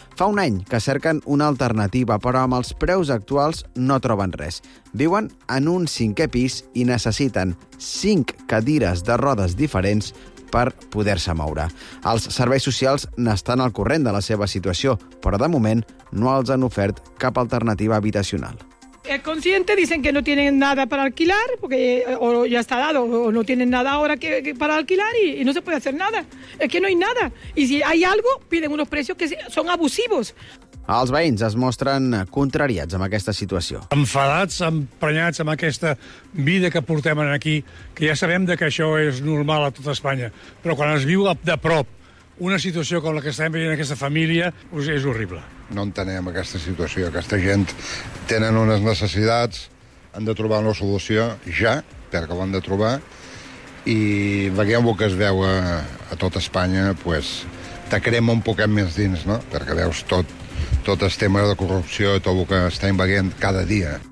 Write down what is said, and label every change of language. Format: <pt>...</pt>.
<ca>Fa un any que cerquen una alternativa, però amb els preus actuals no troben res. Viuen en un cinquè pis i necessiten 5 cadires de rodes diferents per poder-se moure. Els serveis socials n'estan al corrent de la seva situació, però de moment no els han ofert cap alternativa habitacional.</ca> <es>Es consciente, dicen que no tienen nada para alquilar, porque o ya está dado, o no tienen nada ahora que para alquilar y no se puede hacer nada. Es que no hay nada. Y si hay algo, piden unos precios que son abusivos.</es> <ca>Els veïns es mostren contrariats amb aquesta situació. Enfadats, emprenyats amb aquesta vida que portem aquí, que ja sabem que això és normal a tota Espanya, però quan es viu de prop una situació com la que estem veient aquesta família, és horrible. No entenem aquesta situació. Aquesta gent tenen unes necessitats, han de trobar una solució ja, perquè l'han de trobar, i veiem el que es veu a tot Espanya, pues, te crema un poquet més dins, no? Perquè veus tot el tema de corrupció i tot el que estem veient cada dia.</ca>